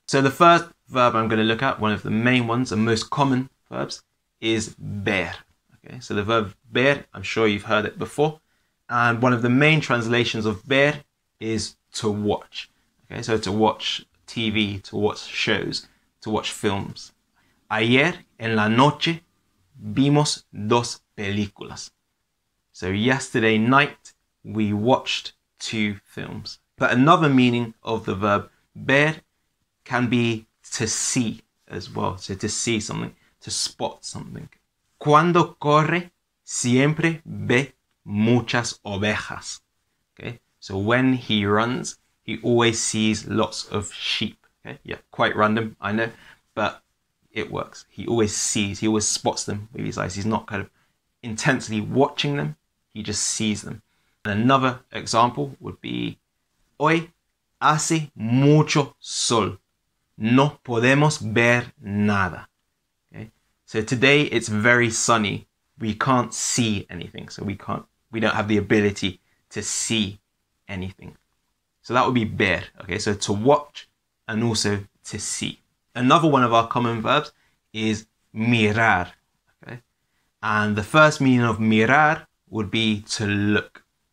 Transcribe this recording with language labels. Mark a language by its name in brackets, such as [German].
[English] So the first verb I'm going to look at, one of the main ones and most common verbs, is ver. Okay, so the verb ver, I'm sure you've heard it before. And one of the main translations of ver is to watch. Okay, so to watch TV, to watch shows, to watch films. [Spanish] Ayer en la noche vimos dos películas. [English] So yesterday night we watched two films. But another meaning of the verb ver can be to see as well. So to see something, to spot something. [Spanish] Cuando corre, siempre ve muchas ovejas. [English] Okay, so when he runs, he always sees lots of sheep. Okay, yeah, quite random, I know, but it works. He always sees, he always spots them with his eyes. He's not kind of intensely watching them, he just sees them. And another example would be, [Spanish] hoy hace mucho sol, no podemos ver nada. [English] So today it's very sunny. We can't see anything. So we don't have the ability to see anything. So that would be ver. Okay, so to watch and also to see. Another one of our common verbs is mirar. Okay, and the first meaning of mirar would be to look.